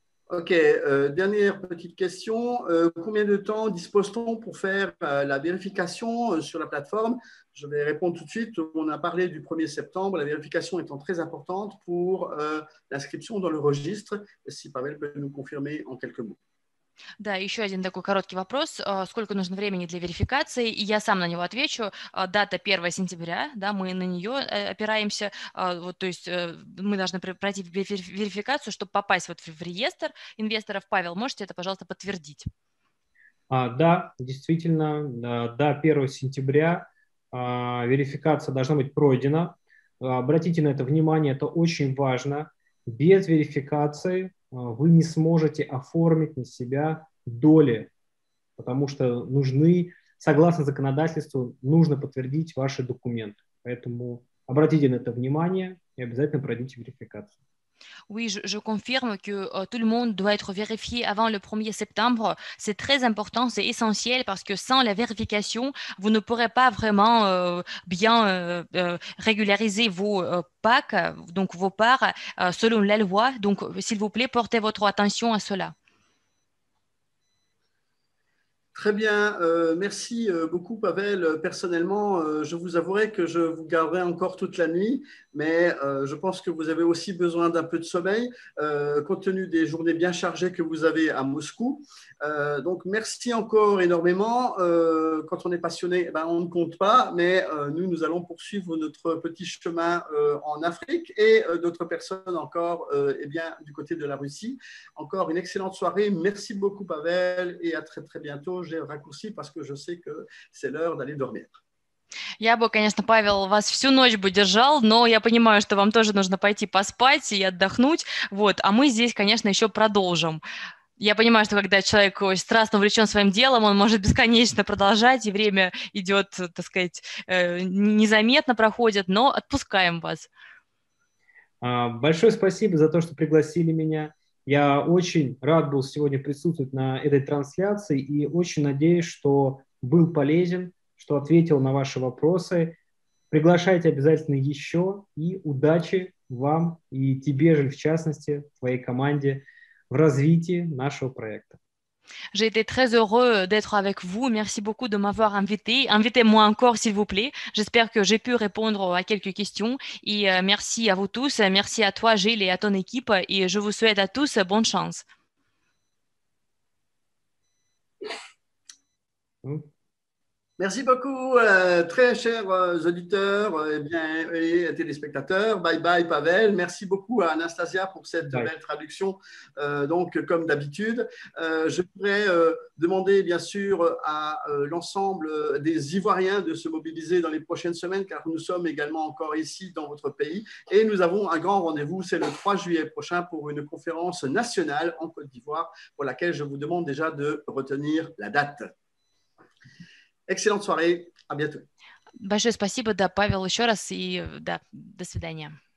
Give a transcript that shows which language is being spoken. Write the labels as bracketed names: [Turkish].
[French] OK. Dernière petite question. Combien de temps dispose-t-on pour faire la vérification sur la plateforme? Je vais répondre tout de suite. On a parlé du 1er septembre, la vérification étant très importante pour l'inscription dans le registre. Si Pavel peut nous confirmer en quelques mots. [Russian] Да, еще один такой короткий вопрос. Сколько нужно времени для верификации? И я сам на него отвечу. Дата 1 сентября, да, мы на нее опираемся. Вот, то есть мы должны пройти верификацию, чтобы попасть вот в реестр инвесторов. Павел, можете это, пожалуйста, подтвердить? Да, действительно, до 1 сентября верификация должна быть пройдена. Обратите на это внимание, это очень важно. Без верификации вы не сможете оформить на себя доли, потому что нужны, согласно законодательству, нужно подтвердить ваши документы. Поэтому обратите на это внимание и обязательно пройдите верификацию. [French] Oui, je confirme que tout le monde doit être vérifié avant le 1er septembre. C'est très important, c'est essentiel parce que sans la vérification, vous ne pourrez pas vraiment bien régulariser vos PAC, donc vos parts, selon la loi. Donc, s'il vous plaît, portez votre attention à cela. Très bien, merci beaucoup Pavel. Personnellement, je vous avouerai que je vous garderai encore toute la nuit, mais je pense que vous avez aussi besoin d'un peu de sommeil, compte tenu des journées bien chargées que vous avez à Moscou. Donc, merci encore énormément. Quand on est passionné, eh ben, on ne compte pas, mais nous allons poursuivre notre petit chemin en Afrique et d'autres personnes encore eh bien, du côté de la Russie. Encore une excellente soirée. Merci beaucoup Pavel et à très très bientôt. [Russian] Уже раккурси, [French] parce que je sais que c'est l'heure d'aller dormir. [Russian] Я бы, конечно, Павел, вас всю ночь бы держал, но я понимаю, что вам тоже нужно пойти поспать и отдохнуть. Вот, а мы здесь, конечно, еще продолжим. Я понимаю, что когда человек страстно увлечен своим делом, он может бесконечно продолжать, и время идет, так сказать, незаметно проходит, но отпускаем вас. Большое спасибо за то, что пригласили меня. Я очень рад был сегодня присутствовать на этой трансляции и очень надеюсь, что был полезен, что ответил на ваши вопросы. Приглашайте обязательно еще и удачи вам и тебе же, в частности, твоей команде в развитии нашего проекта. [French] J'ai été très heureux d'être avec vous. Merci beaucoup de m'avoir invité. Invitez-moi encore, s'il vous plaît. J'espère que j'ai pu répondre à quelques questions. Et merci à vous tous. Merci à toi, Gilles, et à ton équipe. Et je vous souhaite à tous bonne chance. Merci beaucoup, très chers auditeurs et téléspectateurs. Bye bye, Pavel. Merci beaucoup à Anastasia pour cette belle traduction. Donc, comme d'habitude, je voudrais demander, bien sûr, à l'ensemble des Ivoiriens de se mobiliser dans les prochaines semaines, car nous sommes également encore ici dans votre pays. Et nous avons un grand rendez-vous, c'est le 3 juillet prochain pour une conférence nationale en Côte d'Ivoire, pour laquelle je vous demande déjà de retenir la date. Excellente soirée, à bientôt. [Russian] Большое спасибо, да, Павел, еще раз, и да, до свидания.